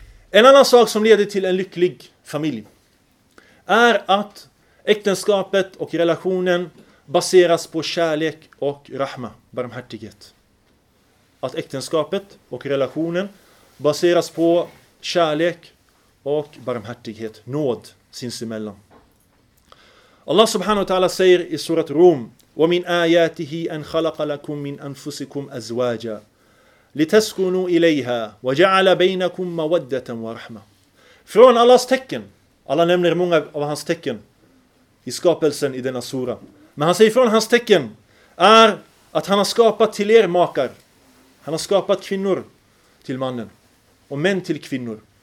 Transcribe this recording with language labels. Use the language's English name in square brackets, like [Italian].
[Swedish] En annan sak som leder till en lycklig familj är att äktenskapet och relationen baseras på kärlek och rahma, barmhärtighet. Att äktenskapet och relationen baseras på kärlek och barmhärtighet, nåd sinsemellan. [Arabic] Allah subhanahu wa ta'ala [Swedish] säger i surat Rum, [Arabic] وَمِنْ آيَاتِهِ أَنْ خَلَقَ لَكُمْ مِنْ أَنْفُسِكُمْ أَزْوَاجًا لِتَسْكُنُوا إِلَيْهَا وَجَعَلَ بَيْنَكُمْ مَوَدَّةً وَرَحْمَةً. [Swedish] Från Allahs tecken, Allah nämner många av hans tecken i skapelsen i denna sura. Men han säger, från hans tecken är att han har skapat till er makar. Han har skapat kvinnor till mannen och män till kvinnor.